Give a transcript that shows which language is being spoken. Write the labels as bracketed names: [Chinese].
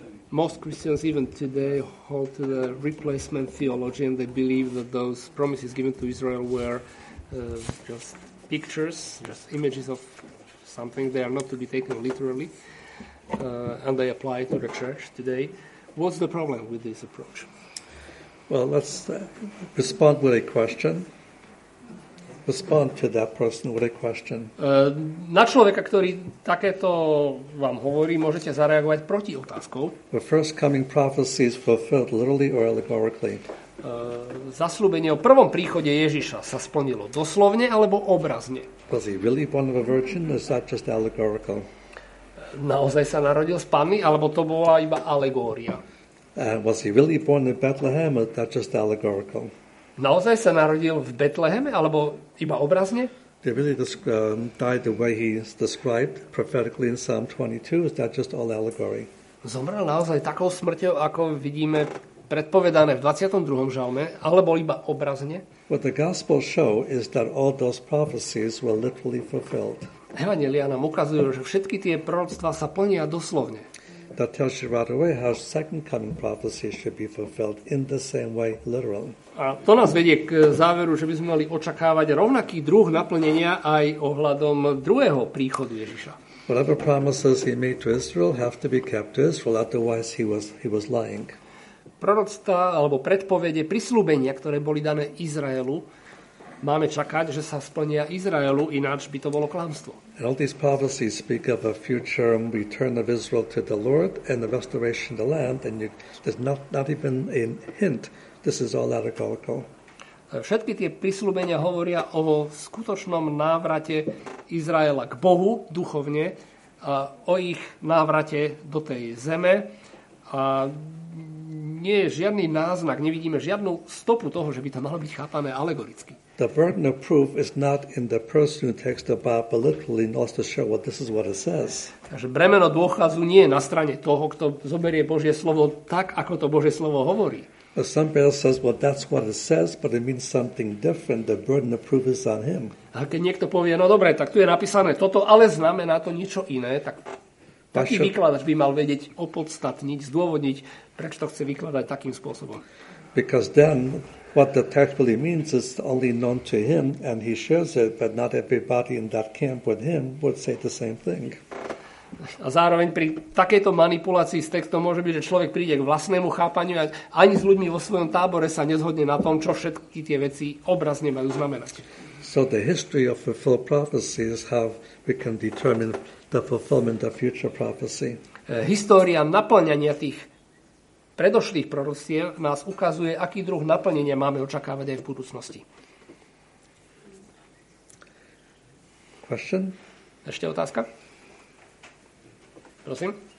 [English] Most Christians even today hold to the replacement theology and they believe that those promises given to Israel were just pictures, just images of something. They are not to be taken literally and they apply to the church today. What's the problem with this approach? Well, let's respond with a question. Respond to that person with a question. [Slovak] Na človeka, ktorý takéto vám hovorí, môžete zareagovať proti otázkou. [English] The first coming prophecy is fulfilled literally or allegorically. [Slovak] Zasľúbenie o prvom príchode Ježiša sa splnilo doslovne alebo obrazne? [English] Was he really born of a virgin or is that just allegorical? [Slovak] Naozaj sa narodil z panny alebo to bola iba alegória? [English] Was he really born in Bethlehem or is that just allegorical? [Slovak] Naozaj sa narodil v Betleheme alebo iba obrazne? [English] They really died the way he's described prophetically in Psalm 22. Is that just all allegory? [Slovak] Zomrel naozaj takou smrťou, ako vidíme predpovedané v 22. žalme, alebo iba obrazne? [English] What the gospel show is that all those prophecies were literally fulfilled. [Slovak] Evanjelia nám ukazujú, že všetky tie proroctvá sa plnia doslovne. [English] That tells you right away how second coming prophecy should be fulfilled in the same way, literally. [Slovak] A to nás vedie k záveru, že by sme mali očakávať rovnaký druh naplnenia aj ohľadom druhého príchodu Ježiša. [English] Whatever promises he made to Israel have to be kept to Israel, otherwise he was lying. [Slovak] Proroctvá alebo predpovede, prisľúbenia, ktoré boli dané Izraelu, máme čakať, že sa splnia Izraelu, ináč by to bolo klamstvo. [English] And all these prophecies speak of a future return of Israel to the Lord and the restoration of the land, and there's not even a hint. This is all allegorical. [Slovak] Všetky tie prisľúbenia hovoria o skutočnom návrate Izraela k Bohu duchovne, a o ich návrate do tej zeme. A nie je žiadny náznak, nevidíme žiadnu stopu toho, že by to malo byť chápané alegoricky. [English] The burden of proof is not in the person who takes the Bible literally and also show what this is what it says. [Slovak] Takže bremeno dôkazu nie je na strane toho, kto zoberie Božie slovo tak, ako to Božie slovo hovorí. [English] Somebody else says, well, that's what it says, but it means something different. The burden of proof is on him. [Slovak] A keď niekto povie, no dobre, tak tu je napísané toto, ale znamená to niečo iné, tak taký vykladač by mal vedieť opodstatniť, zdôvodniť, prečo to chce vykladať takým spôsobom. [English] Because then what the text really means is only known to him and he shares it, but not everybody in that camp with him would say the same thing. [Slovak] A zároveň pri takejto manipulácii s textom môže byť, že človek príde k vlastnému chápaniu a ani s ľuďmi vo svojom tábore sa nezhodne na tom, čo všetky tie veci obrazne majú znamenať. [English] So the history of fulfilled prophecy is how we can determine the fulfillment of future prophecy. [Slovak] História naplňania tých predošlých proroctiev nás ukazuje, aký druh naplnenia máme očakávať aj v budúcnosti. [English] Question? [Slovak] Ešte otázka? Prosím.